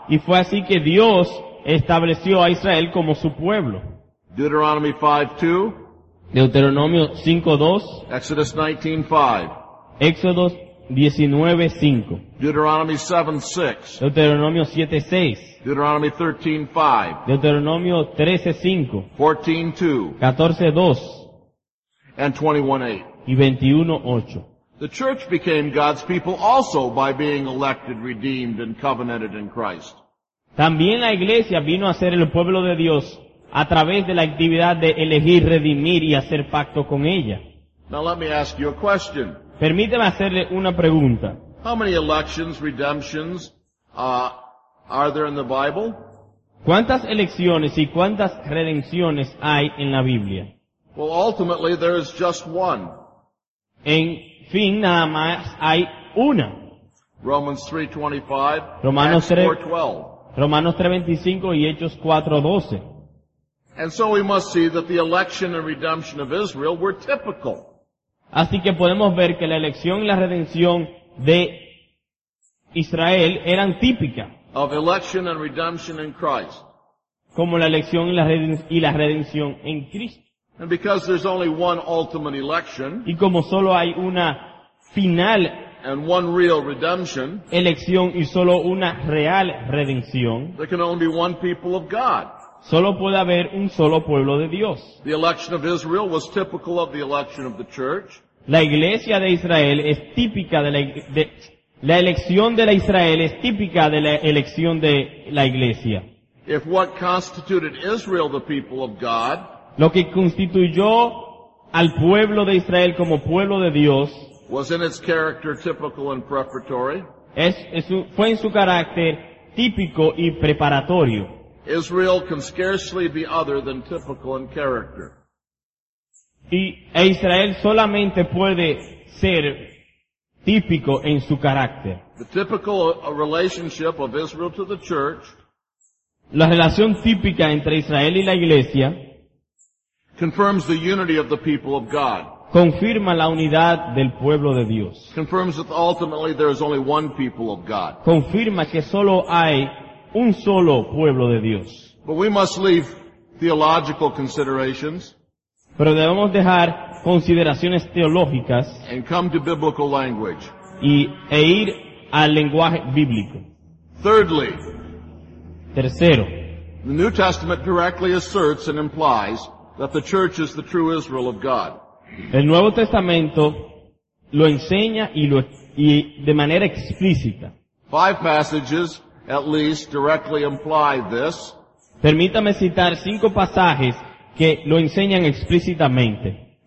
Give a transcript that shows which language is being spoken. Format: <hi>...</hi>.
<es>Y fue así que Dios estableció a Israel como su pueblo.</es> <en>Deuteronomy 5:2.</en> <es>Deuteronomio 5:2.</es> <en>Exodus 19:5.</en> <es>Éxodo 19:5.</es> <en>Deuteronomy 7:6.</en> <es>Deuteronomio 7:6.</es> <en>Deuteronomy 13:5.</en> <es>Deuteronomio 13:5.</es> <en>14:2.</en> <es>14:2.</es> <en>And 21:8.</en> <es>Y 21:8.</es> <en>The church became God's people also by being elected, redeemed, and covenanted in Christ.</en> <es>También la iglesia vino a ser el pueblo de Dios a través de la actividad de elegir, redimir y hacer pacto con ella.</es> <en>Now let me ask you a question.</en> <es>Permíteme hacerle una pregunta.</es> <en>How many elections, redemptions, are there in the Bible?</en> <es>¿Cuántas elecciones y cuántas redenciones hay en la Biblia?</es> <en>Well, ultimately there is just one.</en> <es>En fin, nada más hay una.</es> <en>Romans 3:25,</en> <es>Romanos</es> <en>3:12.</en> <es>Romanos 3:25 y Hechos 4:12.</es> <en>And so we must see that the election and redemption of Israel were typical.</en> <es>Así que podemos ver que la elección y la redención de Israel eran típica.</es> <en>Of election and redemption in Christ.</en> <es>Como la elección y la redención en Cristo.</es> <en>And because there's only one ultimate election,</en> <es>y como solo hay una final</es> <en>and one real redemption,</en> <es>elección y solo una real redención,</es> <en>there can only be one people of God.</en> <es>Solo puede haber un solo pueblo de Dios.</es> <en>The election of Israel was typical of the election of the church.</en> <es>La iglesia de Israel es típica de la, de, La elección de la Israel es típica de la elección de la iglesia.</es> <en>If what constituted Israel the people of God,</en> <es>lo que constituyó al pueblo de Israel como pueblo de Dios,</es> <en>was in its character typical and preparatory.</en> <es>Fue en su carácter típico y preparatorio.</es> <en>Israel can scarcely be other than typical in character.</en> <es>E Israel solamente puede ser típico en su carácter.</es> <en>The typical relationship of Israel to the church,</en> <es>la relación típica entre Israel y la iglesia,</es> <en>confirms the unity of the people of God.</en> <es>Confirma la unidad del pueblo de Dios.</es> <en>Confirms that ultimately there is only one people of God.</en> <es>Confirma que solo hay un solo pueblo de Dios.</es> <en>But we must leave theological considerations.</en> <es>Pero debemos dejar consideraciones teológicas.</es> <en>And come to biblical language.</en> <es>E ir al lenguaje bíblico.</es> <en>Thirdly.</en> <es>Tercero.</es> <en>The New Testament directly asserts and implies that the church is the true Israel of God.</en> <es>El Nuevo Testamento lo enseña y de manera explícita.</es> <en>Five passages at least directly imply this.</en> <es>Permítame citar cinco pasajes que lo enseñan explícitamente.</es>